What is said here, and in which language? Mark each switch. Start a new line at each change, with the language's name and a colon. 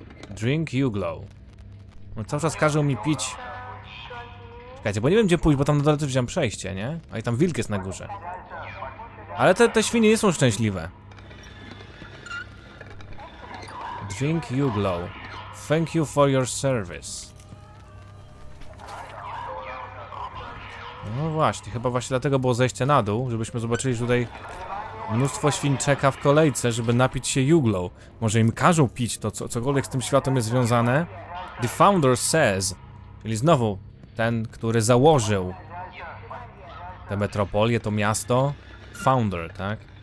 English: Drink Juglow.
Polish: No cały czas każą mi pić. Czekajcie, bo nie wiem gdzie pójść, bo tam na drodze wziąłem przejście, nie? A i tam wilk jest na górze. Ale te świnie nie są szczęśliwe.
English: Drink Juglow. Thank you for your service.
Polish: No właśnie, chyba właśnie dlatego było zejście na dół, żebyśmy zobaczyli, że tutaj mnóstwo świń czeka w kolejce, żeby napić się Juglow. Może im każą pić to, cokolwiek z tym światem jest związane.
English: The founder says,
Polish: czyli znowu ten, który założył tę metropolię, to miasto, founder, tak?